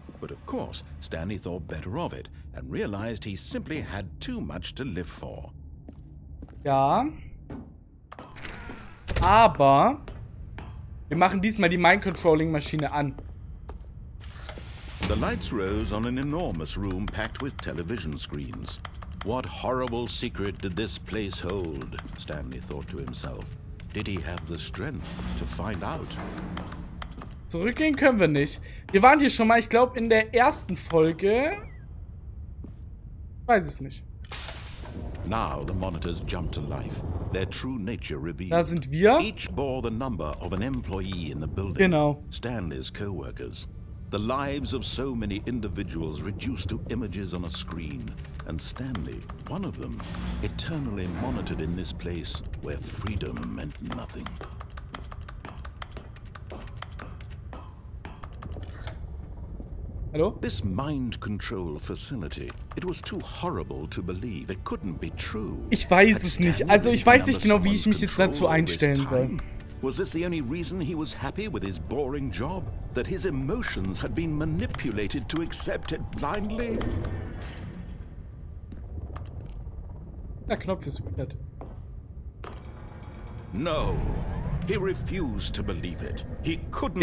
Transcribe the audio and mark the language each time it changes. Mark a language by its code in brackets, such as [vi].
[en] Of course, Stanley thought better of it and realized he simply had too much to live for. [de] Ja. Aber wir machen diesmal die Mind-Controlling-Maschine an. [en] The lights rose on an enormous room packed with television screens. What horrible secret did this place hold? Stanley thought to himself. Did he have the strength to find out? [de] Zurückgehen können wir nicht. Wir waren hier schon mal, ich glaube, in der ersten Folge. Ich weiß es nicht. [en] Now the monitors jumped to life. Their true nature revealed. [de] Da sind wir. [en] Each bore the number of an employee in the building. [de] Genau. [en] Stanley's co-workers. The lives of so many individuals reduced to images on a screen. And Stanley, one of them, eternally monitored in this place where freedom meant nothing. Hello? This mind control facility. It was too horrible to believe. It couldn't be true. [de] Ich weiß es nicht. Also ich weiß nicht genau, wie ich mich jetzt dazu einstellen soll. [en] Was this the only reason he was happy with his boring job? That his emotions had been manipulated to accept it blindly? [de] Der Knopf ist weird. [en] No. He refused to believe it. He couldn't